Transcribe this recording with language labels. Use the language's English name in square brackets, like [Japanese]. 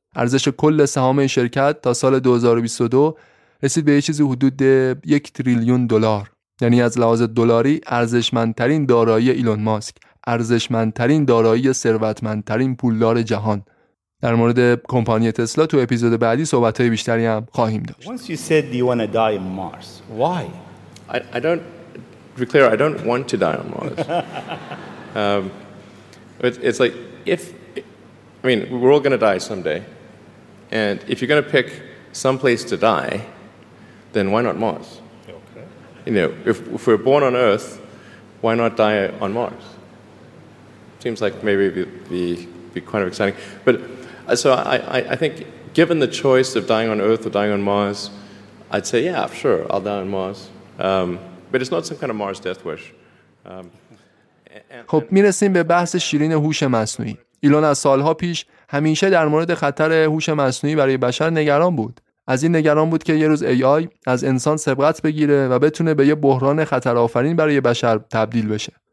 [Persian] ارزش کل سهام این شرکت تا سال 2022 رسید به یه چیزی حدود 1 تریلیون دلار. یعنی از لحاظ دلاری ارزشمندترین دارایی ایلان ماسک، ارزشمندترین دارایی ثروتمندترین پولدار جهان. در مورد کمپانی تسلا تو اپیزود بعدی صحبت‌های بیشتری هم خواهیم داشت. [English] Once you said you want to die on Mars. Why? I don't I don't want to die on Mars. It's like we're all going to die someday. And if you're going to pick some place to die, then why not Mars? Okay. You know, if we're born on Earth, why not die on Mars? Seems like maybe be kind of exciting. But so I think given the choice of dying on Earth or dying on Mars, I'd say, yeah, sure, I'll die on Mars. But it's not some kind of Mars death wish. [Persian] خب میرسیم به بحث شیرین هوش مصنوعی. ایلون از سالها پیش همیشه در مورد خطر هوش مصنوعی برای بشر نگران بود. از این نگران بود که یه روز AI از انسان سبقت بگیره و بتونه به یه بحران خطرآفرین برای بشر تبدیل بشه.